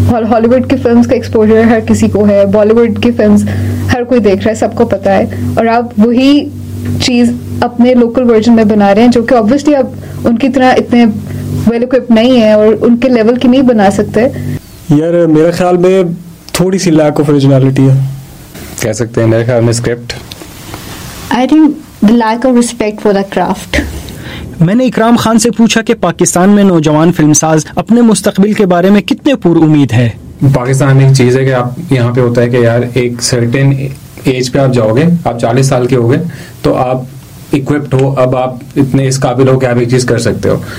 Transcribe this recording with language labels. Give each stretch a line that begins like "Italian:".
Urdu: ہالی ووڈ کی فلمز کا ایکسپوجر ہر کسی کو ہے، بالی ووڈ کی فلمز ہر کوئی دیکھ رہا ہے، سب کو پتا ہے، اور آپ وہی چیز اپنے لوکل ورژن میں بنا رہے ہیں جو کہ آبویسلی آپ ان کی طرح اتنے ویل اکوپڈ نہیں ہیں اور ان کے لیول کی نہیں بنا سکتے. یار میرے خیال میں تھوڑی سی لیک آف اوریجنالٹی ہے، کہہ سکتے ہیں میرے خیال میں script.
English: I think the lack of respect for the craft.
Urdu: میں نے اکرام خان سے پوچھا کہ پاکستان میں نوجوان فلم ساز اپنے مستقبل کے بارے میں کتنے پر امید ہے. پاکستان میں ایک چیز ہے کہ آپ یہاں پہ ہوتا ہے کہ یار ایک سرٹن ایج پہ آپ جاؤ گے، آپ 40 سال کے ہو گئے تو آپ اکوپڈ ہو، اب آپ اتنے اس قابل ہو کہ آپ ایک چیز کر سکتے ہو.